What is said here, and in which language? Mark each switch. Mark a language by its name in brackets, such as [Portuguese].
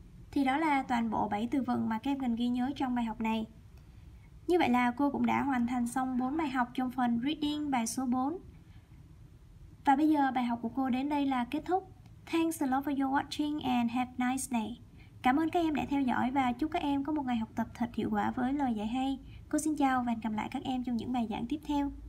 [Vietnamese] Thì đó là toàn bộ 7 từ vựng mà các em cần ghi nhớ trong bài học này. Như vậy là cô cũng đã hoàn thành xong 4 bài học trong phần reading bài số 4. Và bây giờ bài học của cô đến đây là kết thúc. [English] Thanks a lot for your watching and have a nice day. [Vietnamese] Cảm ơn các em đã theo dõi và chúc các em có một ngày học tập thật hiệu quả với lời dạy hay. Cô xin chào và hẹn gặp lại các em trong những bài giảng tiếp theo.